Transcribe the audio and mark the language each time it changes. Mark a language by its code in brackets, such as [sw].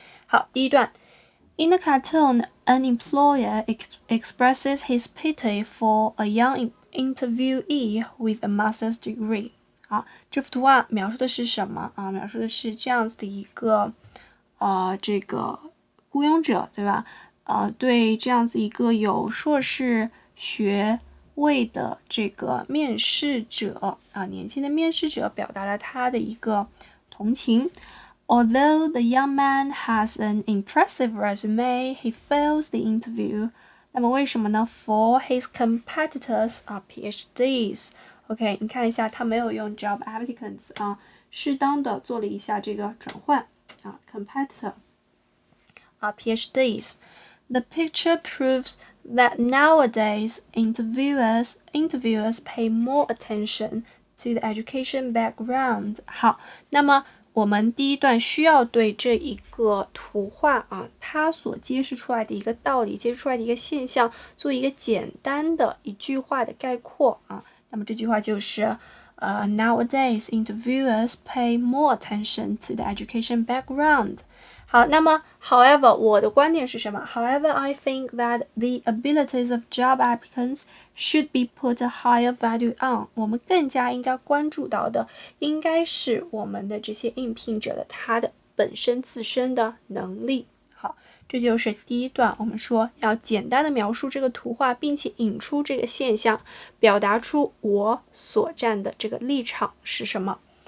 [zh] 好，第一段， [en] In the cartoon, an employer expresses his pity for a young interviewee with a master's degree。 [zh] 好，这幅图画描述的是什么啊？描述的是这样子的一个这个雇佣者，对吧？对这样子一个有硕士学位的这个面试者年轻的面试者表达了他的一个同情。 [en] Although the young man has an impressive resume, he fails the interview. [zh] 那么为什么呢？ [en] For his competitors are PhDs. [zh] OK， 你看一下，它没有用 job applicants 啊，适当的做了一下这个转换啊 ，competitor 啊 ，PhDs。 [en] The picture proves that nowadays interviewers pay more attention to the education background。 [zh] 好，那么我们第一段需要对这一个图画啊，它所揭示出来的一个道理，揭示出来的一个现象，做一个简单的一句话的概括啊。那么这句话就是 [en] nowadays interviewers pay more attention to the education background。 [zh] 好，那么 however 我的观点是什么？ [en] However, I think that the abilities of job applicants should be put a higher value on。 [zh] 我们更加应该关注到的应该是我们的这些应聘者的他的本身自身的能力。好，这就是第一段，我们说要简单的描述这个图画，并且引出这个现象，表达出我所站的这个立场是什么。